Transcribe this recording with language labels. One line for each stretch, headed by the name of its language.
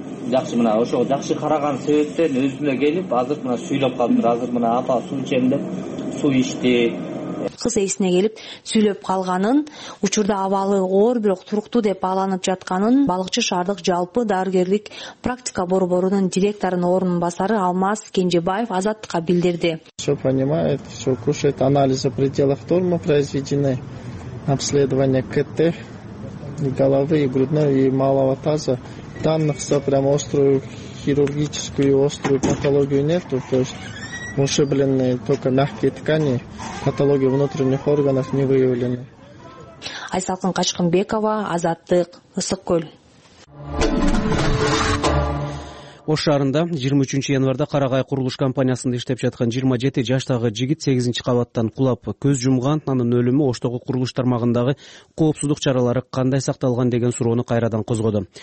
Kyrgyz: Жакшы мына ошого жакшы караган себептен өзүмө келип, азыр мына сүйлөп калдым. Азыр мына апа суу ичем деп суу ичти. Кыз эсине келип сүйлөп калганын, учурда абалы оор бирок туруктуу деп бааланып жатканын Балыкчы шаардык жалпы дарыгерлик практика борборунун директорунун орун басары Алмаз Кенжебаев Азаттыкка билдирди.
Russian: Все понимает, все кушает, анализы пределов нормы произведены, обследование КТ, головы и грудной и малого таза. Данных за прям острую хирургическую острую патологию нету, то есть ушиблены только мягкие ткани, патологии внутренних органов не выявлены.
Kyrgyz: Айсалкын Качкынбекова, Азаттык, Ысык Көл. Ош шаарында 23 январда Карагай курулуш компаниясында иштеп жаткан 27 жаштагы жигит 8-чи кабаттан кулап көз жумган, анын өлүмү Оштогу курулуш тармагындагы коопсуздук чаралары кандай сакталган деген суроону кайрадан козгоду.